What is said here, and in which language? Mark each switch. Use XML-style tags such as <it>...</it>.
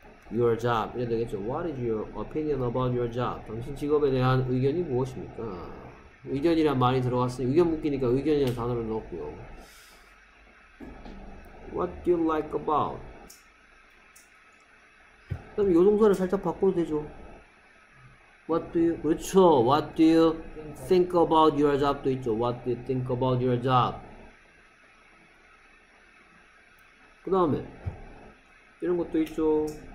<en>Your job.</en> <ko>이래야 되겠죠.</ko> <en>What is your opinion about your job?</en> <ko>당신 직업에 대한 의견이 무엇입니까? 의견이란 말이 들어갔으니, 의견 묻기니까 의견이란 단어를 넣었고요.</ko> <en>What do you like about?</en> <ko>그 다음에 요 동사를 살짝 바꿔도 되죠.</ko> <en>What do you,</en> <ko>그렇죠.</ko> <en>What do you think about your job</en> <ko>도 있죠.</ko> <en>What do you think about your job?</en> <ko>그 다음에, 이런 것도 있죠.</ko>